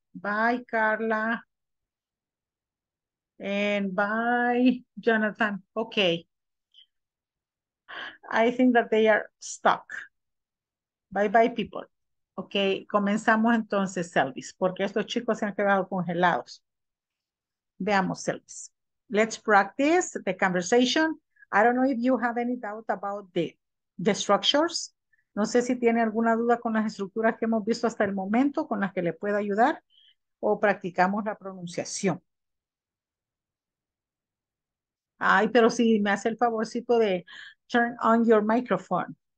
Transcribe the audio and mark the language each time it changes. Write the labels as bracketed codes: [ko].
[en] Bye, Carla. And bye, Jonathan. Okay. I think that they are stuck. Bye bye, people. [es] Ok, comenzamos entonces, Selvis, porque estos chicos se han quedado congelados. Veamos, [en] Selvis. Let's practice the conversation. I don't know if you have any doubt about the structures. [es] No sé si tiene alguna duda con las estructuras que hemos visto hasta el momento, con las que le puedo ayudar, o practicamos la pronunciación. Ay, pero si me hace el favorcito de [en] turn on your microphone.